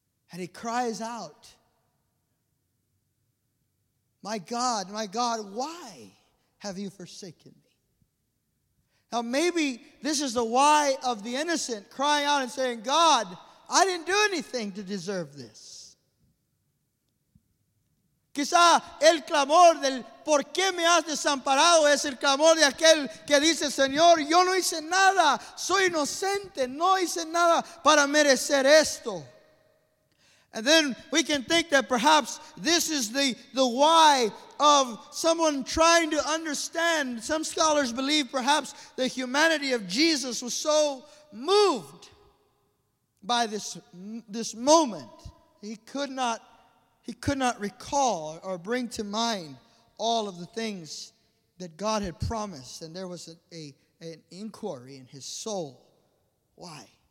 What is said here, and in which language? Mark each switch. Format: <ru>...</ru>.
<en>And he cries out, my God, why have you forsaken me? Now maybe this is the why of the innocent crying out and saying, God, I didn't do anything to deserve this.</en> <es>Quizá el clamor del por qué me has desamparado es el clamor de aquel que dice, Señor, yo no hice nada, soy inocente, no hice nada para merecer esto.</es> <en>And then we can think that perhaps this is the why of someone trying to understand. Some scholars believe perhaps the humanity of Jesus was so moved by this moment, he could not recall or bring to mind all of the things that God had promised, and there was an inquiry in his soul. Why?</en>